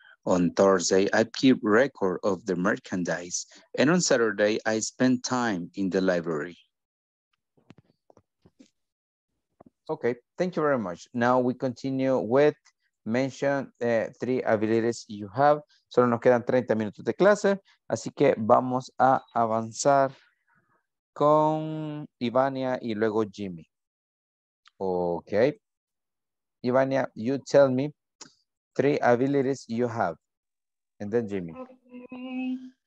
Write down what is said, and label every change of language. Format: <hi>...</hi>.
<en>On Thursday, I keep record of the merchandise. And on Saturday, I spend time in the library. Okay, thank you very much. Now we continue with mention three abilities you have.</en> <es>Solo nos quedan 30 minutos de clase. Así que vamos a avanzar con Ivania y luego Jimmy.</es> <en>Okay. Ivania, you tell me three abilities you have. And then Jimmy. Okay.</en>